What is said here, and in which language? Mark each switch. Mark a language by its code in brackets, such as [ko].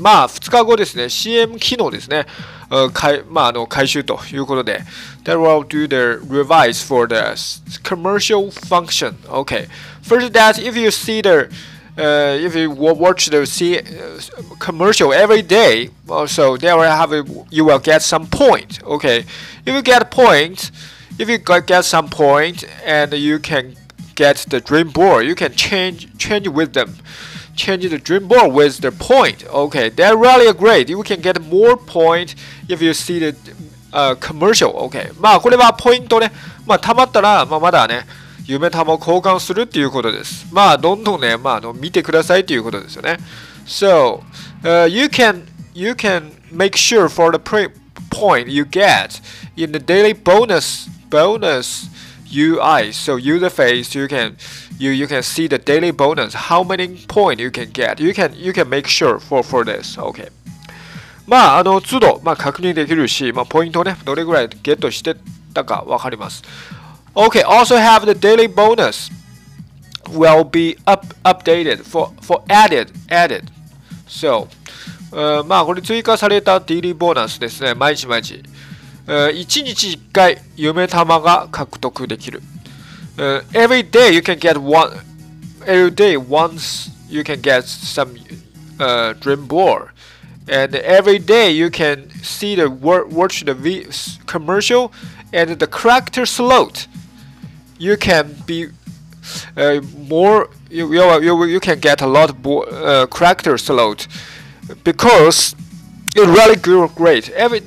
[ja] まあ、2日後ですね、CM 機能ですね、回収ということで。 [en] That will do the revise for the commercial function, okay. First that, if you see the,if you watch the commercial every day, so you will get some point. Okay, if you get points, if you get some point, and you can get the dream board, you can change with them, change the dream board with the point. Okay, they're really great. You can get more point if you see the commercial. [ja] Okay, まあこれはポイントね。まあ貯まったら、まあまだね。夢玉を交換するっていうことです。まあ、どんどんね、まあ、見てくださいっていうことですよね。 [en] So, you can make sure for the point you get in the daily bonus UI. So, user face, you can see the daily bonus, how many point you can get. You can make sure for this. Okay. [ja] まあ、都度、まあ、確認できるし、まあ、ポイントね、どれぐらいゲットしてたかわかります。 [en] Okay, also have the daily bonus will be updated for added. [ja] So, まあこれ追加されたデイリーボーナスですね。毎日毎日。 1日1回夢玉が獲得できる。 [en] Every day you can get some dream board. And every day you can see the watch the commercial and the character slot. You can be more. You can get a lot more character slot because it's really great.